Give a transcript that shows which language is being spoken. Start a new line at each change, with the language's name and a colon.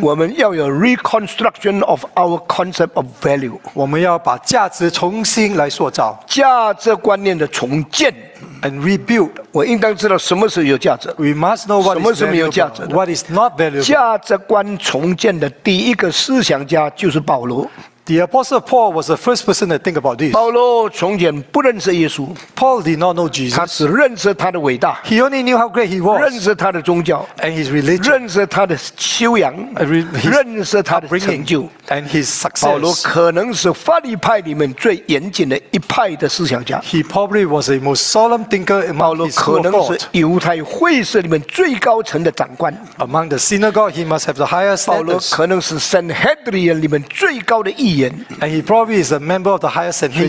Chinese: 我们要有
English: reconstruction of our concept of value，
Chinese: 我们要把价值重新来塑造，价值观念的重建
English: ，and rebuild。
Chinese: 我应当知道什么是有价值
English: ，we must know what
Chinese: 什么是没有价值
English: ，what is not valuable。
Chinese: 价值观重建的第一个思想家就是保罗。
English: The Apostle Paul was the first person to think about this.
Chinese: 保罗从前不认识耶稣。
English: Paul did not know Jesus.
Chinese: 他只认识他的伟大。
English: He only knew how great he was.
Chinese: 认识他的宗教。
English: And his religion.
Chinese: 认识他的修养。认识他的成就。
English: And his success.
Chinese: 保罗可能是法利派里面最严谨的一派的思想家。
English: He probably was the most solemn thinker among his school of thought.
Chinese: 保罗可能是犹太会社里面最高层的长官。
English: Among the synagogue, he must have the highest status.
Chinese: 保罗可能是 Sanhedrin 里面最高的议员。
English: And he probably is a member of the higher Sanhedrin.